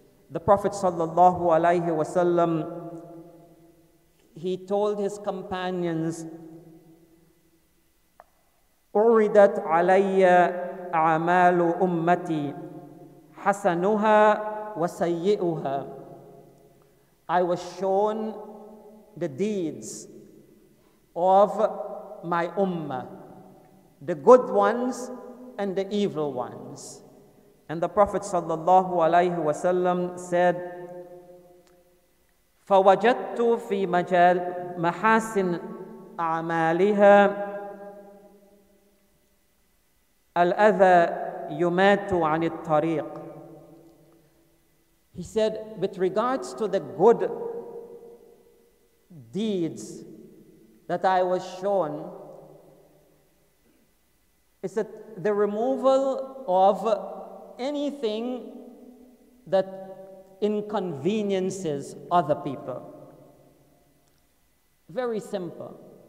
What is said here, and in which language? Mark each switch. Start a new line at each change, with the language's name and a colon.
English: The Prophet sallallahu alaihi wasallam, he told his companions,
Arabic: "Uridat alayya a'malu ummati, hasanuha wa sayyi'uha."
English: I was shown the deeds of my ummah, the good ones and the evil ones. And the Prophet sallallahu alaihi wasallam said,
Arabic: فَوَجَدْتُ فِي مَجَالِ مَحَاسِنْ أَعْمَالِهَا الْأَذَى يُمَاتُ عَنِ الطَّرِيقِ.
English: He said, with regards to the good deeds that I was shown, is that the removal of anything that inconveniences other people. Very simple.